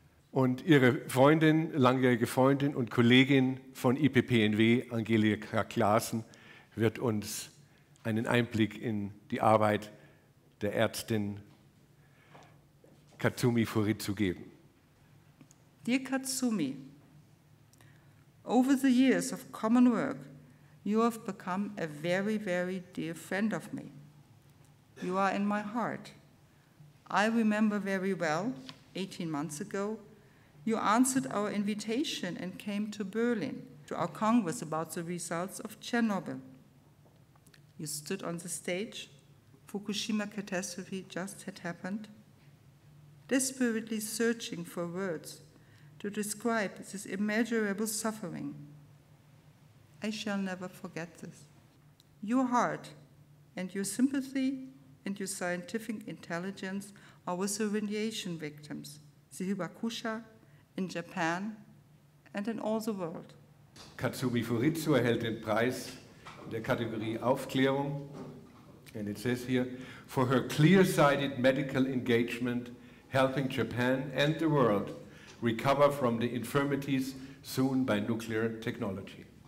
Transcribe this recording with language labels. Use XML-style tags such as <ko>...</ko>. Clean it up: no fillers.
<de>Und ihre Freundin, langjährige Freundin und Kollegin von IPPNW, Angelika Klaassen, wird uns einen Einblick in die Arbeit der Ärztin Katsumi Furitsu geben.</de> <en>Dear Katsumi, over the years of common work, you have become a very, very dear friend of me. You are in my heart. I remember very well, 18 months ago, you answered our invitation and came to Berlin to our Congress about the results of Chernobyl. You stood on the stage, Fukushima catastrophe just had happened, desperately searching for words to describe this immeasurable suffering. I shall never forget this. Your heart and your sympathy and your scientific intelligence are with the radiation victims, the Hibakusha, in Japan and in all the world.</en> <de>Katsumi Furitsu erhält den Preis in der Kategorie Aufklärung.</de> <en>And it says here, for her clear-sighted medical engagement, helping Japan and the world recover from the infirmities soon by nuclear technology.</en>